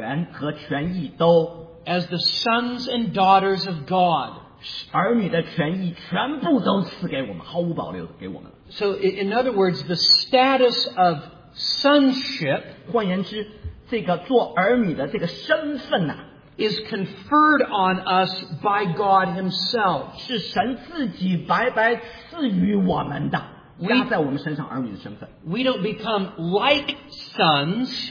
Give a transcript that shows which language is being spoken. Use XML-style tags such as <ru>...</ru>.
<zh>他把所有儿女的特权和权益都</zh> <en>as the sons and daughters of God,</en> <zh>儿女的权益全部都赐给我们,</zh> <en>so in other words, the status of sonship,</en> <zh>换言之,这个做儿女的这个身份啊,</zh> <en>is conferred on us by God Himself.</en> <zh>是神自己白白赐予我们的。</zh> <en>We don't become like sons.</en>